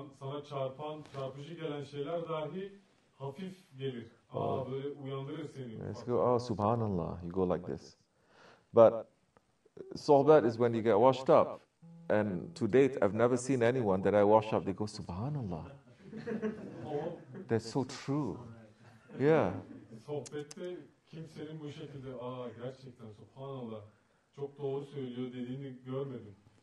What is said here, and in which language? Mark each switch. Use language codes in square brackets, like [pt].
[tr] Sana çarpan, çarpıcı gelen şeyler dahi hafif gelir. Böyle uyandırır seni. [en] Let's go, subhanallah, you go like this. But sohbet is when you get washed up. And to date, I've never seen anyone that I wash up, they go, subhanallah. That's so true. Yeah. [tr] Sohbette kimsenin bu şekilde, gerçekten subhanallah, çok doğru söylüyor dediğini görmedim.